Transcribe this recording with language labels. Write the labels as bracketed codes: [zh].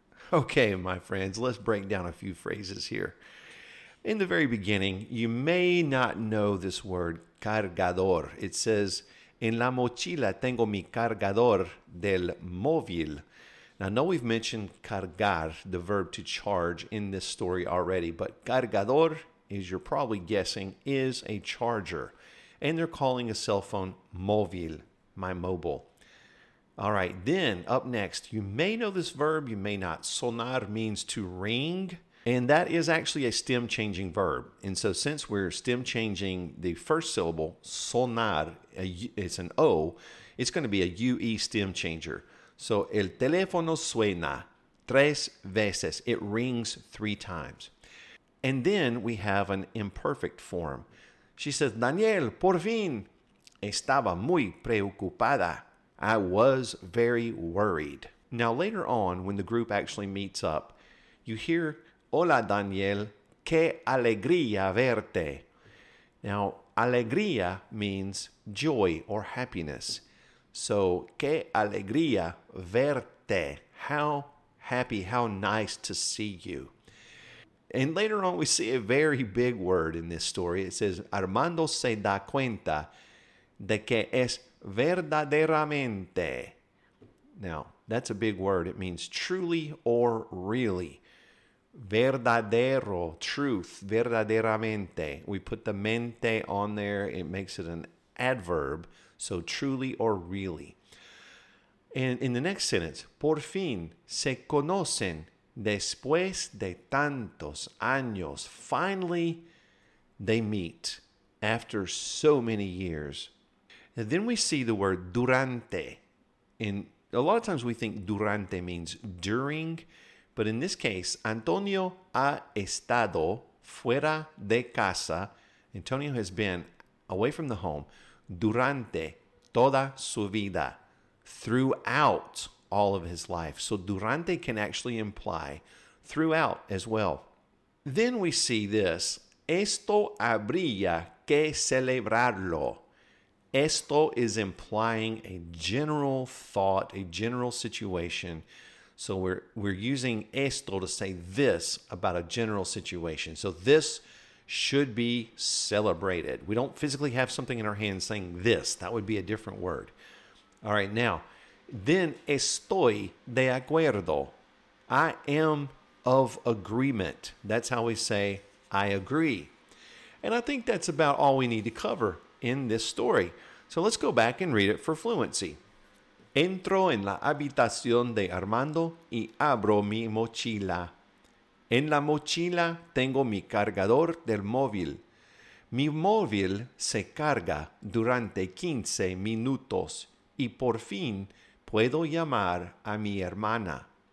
[en] Okay, my friends, let's break down a few phrases here. In the very beginning, you may not know this word, cargador. It says, [es] en la mochila tengo mi cargador del móvil. [en] Now, I know we've mentioned cargar, the verb to charge, in this story already, but cargador, as you're probably guessing, is a charger. And they're calling a cell phone móvil, my mobile. All right, then up next, you may know this verb, you may not. Sonar means to ring, and that is actually a stem-changing verb. And so since we're stem-changing the first syllable, sonar, it's an O, it's going to be a UE stem changer. [es] So el teléfono suena tres veces. [en] It rings three times. And then we have an imperfect form. She says, [es] Daniel, por fin, estaba muy preocupada. [en] I was very worried. Now, later on, when the group actually meets up, you hear, [es] hola, Daniel, qué alegría verte. [en] Now, alegría means joy or happiness. [es] So, qué alegría verte. [en] How happy, how nice to see you. And later on, we see a very big word in this story. It says, [es] Armando se da cuenta de que es verdaderamente. [en] Now, that's a big word. It means truly or really. [es] Verdadero, truth, verdaderamente. [en] We put the mente on there. It makes it an adverb. So truly or really. And in the next sentence, [es] por fin se conocen después de tantos años. [en] Finally, they meet after so many years. And then we see the word durante. And a lot of times we think durante means during. But in this case, [es] Antonio ha estado fuera de casa. [en] Antonio has been away from the home [es] durante toda su vida, [en] throughout all of his life. So durante can actually imply throughout as well. Then we see this. [es] Esto habría que celebrarlo. [en] Esto is implying a general thought, a general situation. So we're using esto to say this about a general situation. So this should be celebrated. We don't physically have something in our hands saying this. That would be a different word. All right, now, then [es] estoy de acuerdo. [en] I am of agreement. That's how we say I agree. And I think that's about all we need to cover in this story. So let's go back and read it for fluency. [es] Entro en la habitación de Armando y abro mi mochila. En la mochila tengo mi cargador del móvil. Mi móvil se carga durante 15 minutos y por fin puedo llamar a mi hermana.